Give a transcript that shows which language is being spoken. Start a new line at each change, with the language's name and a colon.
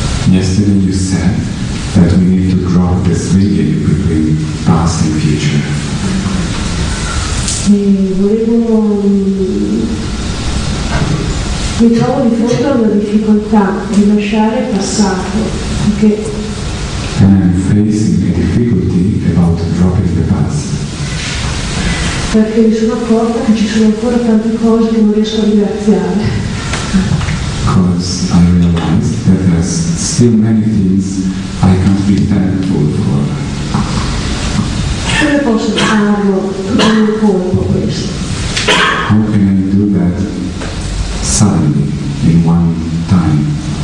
English: Yesterday you said that we need to drop this video between past and future.
Italian: Mi trovo di fronte a una difficoltà di lasciare il passato.
English: Okay. And I'm facing a difficulty about dropping the past.
Italian: Perché mi sono accorta che ci sono ancora tante cose che non riesco a ringraziare.
English: Because I realize that there's still many things I can't be thankful for.
Italian: Come posso farlo tutto in un colpo questo?
English: How can I do that suddenly in one time?